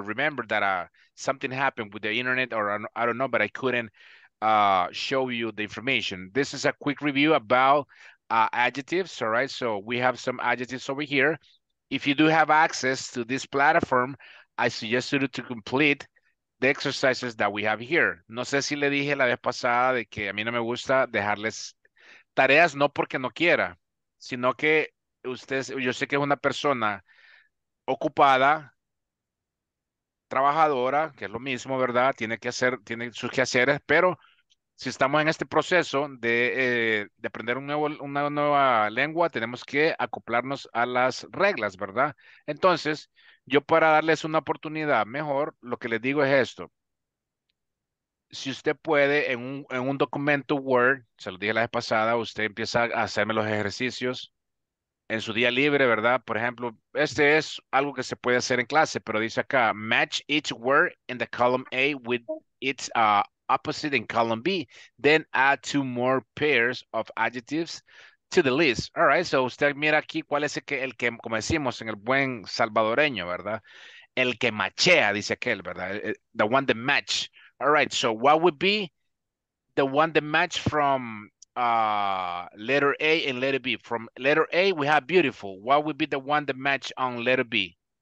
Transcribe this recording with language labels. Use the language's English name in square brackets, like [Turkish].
[English] Remember that something happened with the internet, or I don't know, but I couldn't show you the information. This is a quick review about adjectives, all right? So we have some adjectives over here. If you do have access to this platform, I suggest you to complete the exercises that we have here. [Spanish] No sé si le dije la vez pasada de que a mí no me gusta dejarles tareas, no porque no quiera, sino que usted, yo sé que es una persona ocupada, trabajadora, que es lo mismo, ¿verdad? Tiene que hacer, tiene sus quehaceres, pero si estamos en este proceso de aprender una nueva lengua, tenemos que acoplarnos a las reglas, ¿verdad? Entonces, yo para darles una oportunidad mejor, lo que les digo es esto. Si usted puede, en un documento Word, se lo dije la vez pasada, usted empieza a hacerme los ejercicios en su día libre, ¿verdad? Por ejemplo, este es algo que se puede hacer en clase, pero dice acá, [English] match each word in the column A with its opposite in column B. Then add two more pairs of adjectives to the list. [Spanish] All right, so usted mira aquí cuál es el que, como decimos, en el buen salvadoreño, ¿verdad? El que machea, dice aquel, ¿verdad? [English] The one that match. All right, so what would be the one that match from letter A and letter B? From letter A, we have beautiful. What would be the one that match on letter B?